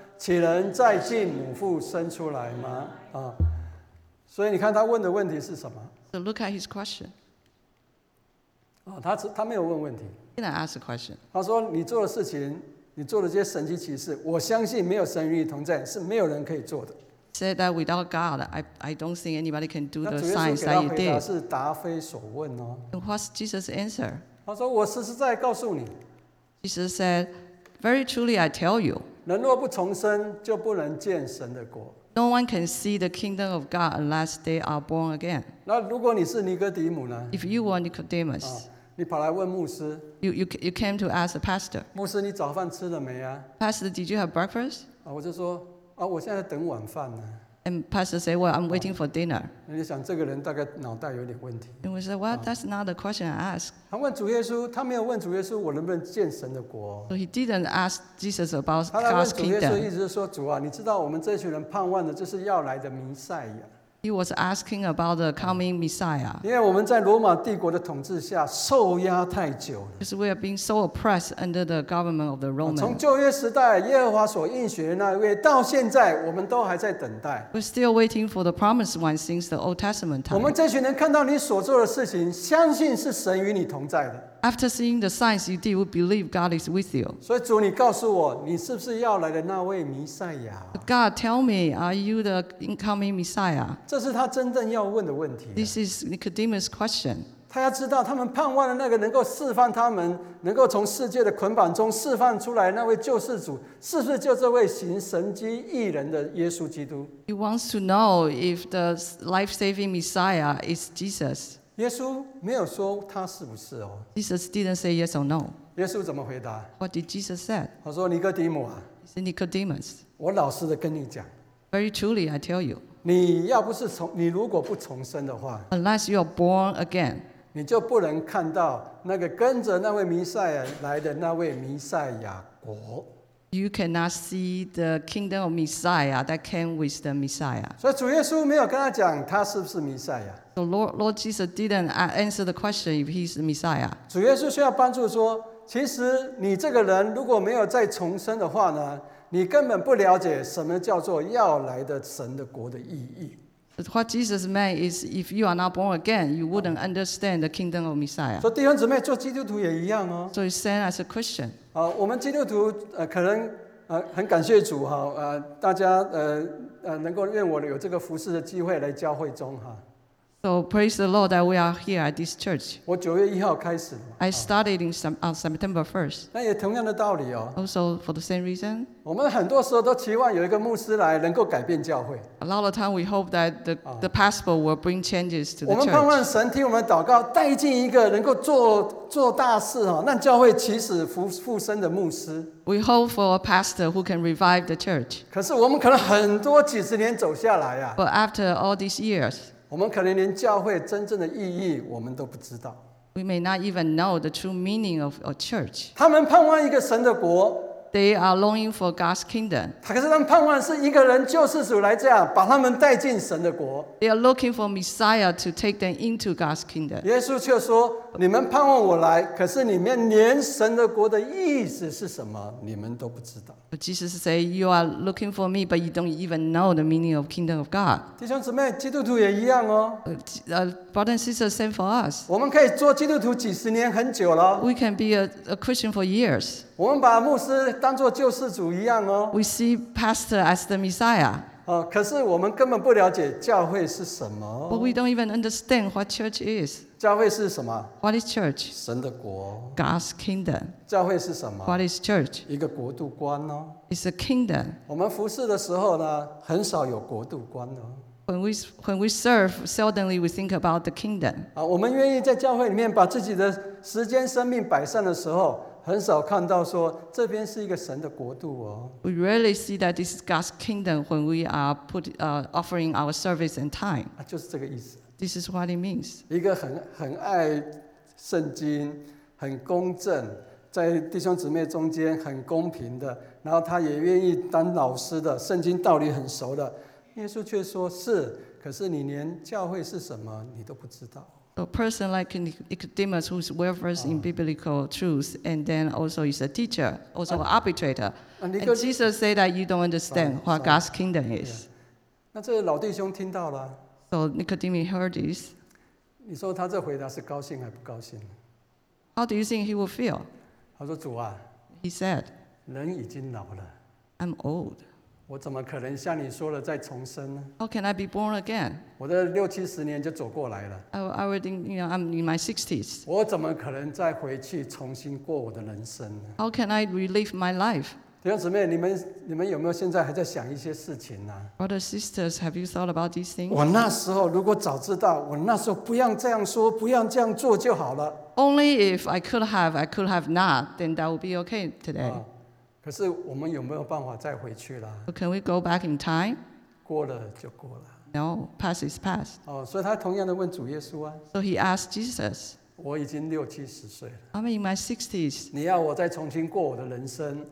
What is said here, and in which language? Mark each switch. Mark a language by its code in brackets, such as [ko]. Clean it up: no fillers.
[zh] 岂能再进母腹生出来吗？” 所以你看他问的问题是什么 [en] ？So look at his question. [zh] 他没有问问题。 [en] He didn't ask a question. [zh] 他说：“你做的事情，你做的这些神迹奇事，我相信没有神与你同在，是没有人可以做的。” [en] Said that without God, I don't think anybody can do the signs that you did. [zh] 是答非所问哦。 [en] And what's Jesus' answer? [zh] 他说：“我实实在告诉你。” [en] Jesus said, "Very truly, I tell you." [zh] 人若不重生，就不能见神的国。 [en] No one can see the kingdom of God unless they are born again. [zh] 那如果你是尼哥底母呢 [en] ？If you were Nicodemus, [zh] 你跑来问牧师。 [en] You came to ask the pastor. [zh] 牧师，你早饭吃了没啊 [en] ？Pastor, did you have breakfast? [zh] 我就说。我现在等晚饭呢。 [en] And pastor said, "Well, I'm waiting for dinner." [zh] 那你想，这个人大概脑袋有点问题。 [en] And we said, "Well, that's not the question I ask." [zh] 他问主耶稣，他没有问主耶稣，我能不能见神的国 [en] ？So he didn't ask Jesus about God's kingdom. [zh] 他来问主耶稣，意思是说，主啊，你知道我们这群人盼望的就是要来的弥赛亚。 [en] He was asking about the coming Messiah. [zh] 因为我们在罗马帝国的统治下受压太久了。 [en] Because we have been so oppressed under the government of the Romans. [zh] 从旧约时代耶和华所应许的那位，到现在我们都还在等待。 [en] We're still waiting for the promised one since the Old Testament time. [zh] 我们这群人看到你所做的事情，相信是神与你同在的。 [en] After seeing the signs you did, we believe God is with you. [zh] 所以主，你告诉我，你是不是要来的那位弥赛亚 [en] ？God, tell me, are you the incoming Messiah? [zh] 这是他真正要问的问题。 [en] This is Nicodemus' question. [zh] 他要知道，他们盼望的那个能够释放他们、能够从世界的捆绑中释放出来的那位救世主，是不是就这位行神迹异能的耶稣基督 [en] ？He wants to know if the life-saving Messiah is Jesus. [zh] 耶稣没有说他是不是哦。 [en] Jesus didn't say yes or no. [zh] 耶稣怎么回答 [en] ？What did Jesus say? [zh] 他说尼哥底母啊。 [en] He said Nicodemus. [zh] 我老实的跟你讲。 [en] Very truly, I tell you. [zh] 你要不是你如果不重生的话 [en] ，unless you are born again, [zh] 你就不能看到那个跟着那位弥赛亚来的那位弥赛亚国。 [en] You cannot see the kingdom of Messiah that came with the Messiah. [zh] 所以主耶稣没有跟他讲他是不是弥赛亚。 [en] The Lord Jesus didn't answer the question if he's the Messiah. [zh] 主耶稣需要帮助说，其实你这个人如果没有再重生的话呢，你根本不了解什么叫做要来的神的国的意义。 [en] What Jesus meant is if you are not born again, you wouldn't understand the kingdom of Messiah. [zh] 所以弟兄姊妹做基督徒也一样哦。 [en] So it's same as a Christian. [zh] 我们基督徒可能很感谢主哈，大家能够愿我有这个服事的机会来教会中哈。 [en] So praise the Lord that we are here at this church. [zh] 我九月一号开始。 [en] I started on September 1st. [zh] 那也同样的道理哦。 [en] Also for the same reason. [zh] 我们很多时候都期望有一个牧师来能够改变教会。 [en] A lot of time we hope that the pastor will bring changes to the church. [zh] 我们盼望神听我们祷告，带进一个能够做大事哦，让教会起死复生的牧师。 [en] We hope for a pastor who can revive the church. [zh] 可是我们可能很多几十年走下来啊。 [en] But after all these years. [zh] 我们可能连教会真正的意义我们都不知道。 [en] We may not even know the true meaning of a church. [zh] 他们盼望一个神的国。 [en] They are longing for God's kingdom. [zh] 可是他们盼望是一个人救世主来这样把他们带进神的国。 [en] They are looking for Messiah to take them into God's kingdom. [zh] 耶稣却说，你们盼望我来，可是里面连神的国的意思是什么，你们都不知道。 [en] But Jesus said, you are looking for me, but you don't even know the meaning of kingdom of God. [zh] 弟兄姊妹，基督徒也一样哦。 [en] Brother and sister, same for us. [zh] 我们可以做基督徒几十年，很久了。 [en] We can be a Christian for years. [zh] 我们把牧师当作救世主一样哦。 [en] We see pastor as the Messiah. [zh] 可是我们根本不了解教会是什么。 [en] But we don't even understand what church is. [zh] 教会是什么？ [en] What is church? [zh] 神的国。 [en] God's kingdom. [zh] 教会是什么？ [en] What is church? [zh] 一个国度观哦。 [en] It's a kingdom. [zh] 我们服事的时候呢，很少有国度观哦。 [en] When we serve, seldomly we think about the kingdom. [zh] 我们愿意在教会里面把自己的时间、生命摆上的时候。很少看到说这边是一个神的国度哦。 [en] We rarely see that this is God's kingdom when we are offering our service and time. [zh] 就是这个意思。 [en] This is what it means. [zh] 一个很爱圣经、很公正，在弟兄姊妹中间很公平的，然后他也愿意当老师的，圣经道理很熟的，耶稣却说是，可是你连教会是什么你都不知道。 [en] A person like Nicodemus, who is well versed in biblical truth, and then also is a teacher, also an arbitrator. And Jesus said that you don't understand what God's kingdom is. [zh] 那这老弟兄听到了。 [en] So Nicodemus heard this. [zh] 你说他这回答是高兴还不高兴？ [en] How do you think he will feel? [zh] 他说主啊。 [en] He said. [zh] 人已经老了。 [en] I'm old. [zh] 我怎么可能像你说了再重生呢 [en] ？How can I be born again？ [zh] 我的六七十年就走过来了。 [en] I already, you know, I'm in my sixties. [zh] 我怎么可能再回去重新过我的人生呢 [en] ？How can I relive my life？ [zh] 弟兄姊妹，你们有没有现在还在想一些事情呢 [en] ？Brothers, sisters, have you thought about these things？ [zh] 我那时候如果早知道，我那时候不要这样说，不要这样做就好了。 [en] Only if I could have, I could have not, then that would be okay today. [zh] 可是我们有没有办法再回去了 [en] ？Can we go back in time？ [zh] 过了就过了。 [en] No, past is past。 [zh] 哦，所以他同样的问主耶稣啊。 [en] So he asked Jesus。 [zh] 我已经六七十岁了。 [en] I'm in my sixties。 [zh] 你要我再重新过我的人生